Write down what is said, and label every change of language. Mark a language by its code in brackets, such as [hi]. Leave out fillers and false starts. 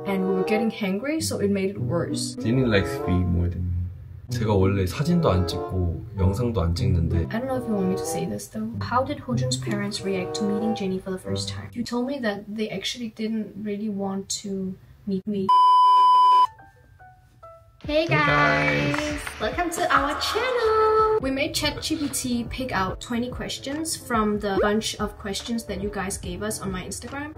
[en] And we were getting hangry, so it made it worse. Jenny likes me more than me. [ko] 제가 원래 사진도 안 찍고 영상도 안 찍는데 [en] I don't know if you want me to say this though. How did Hojun's parents react to meeting Jenny for the first time? You told me that they actually didn't really want to meet me. Hey guys! Welcome to our channel! We made ChatGPT pick out 20 questions from the bunch of questions that you guys gave us on my Instagram.